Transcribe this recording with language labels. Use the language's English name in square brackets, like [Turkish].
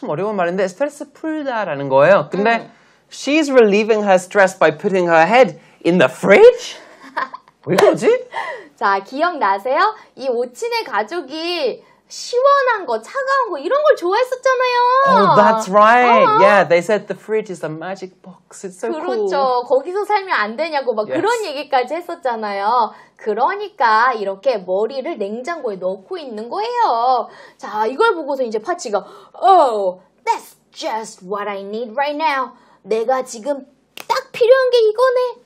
[Korean] 참 어려운 말인데 스트레스 풀다라는 거예요. [English] 근데 she's relieving her stress by putting her head in the fridge? [Korean] 왜 그러지? 자, 기억나세요? 이 오친의 가족이 시원한 거, 차가운 거 이런 걸 좋아했었잖아요. [English] Oh, that's right. Yeah, they said the fridge is a magic box. It's so [Korean] 그렇죠. [English] cool. [Korean] 그렇죠. 거기서 살면 안 되냐고 막 yes. 그런 얘기까지 했었잖아요. 그러니까 이렇게 머리를 냉장고에 넣고 있는 거예요. 자, 이걸 보고서 이제 파치가 Oh, [English] that's just what I need right now. [Korean] 내가 지금 딱 필요한 게 이거네.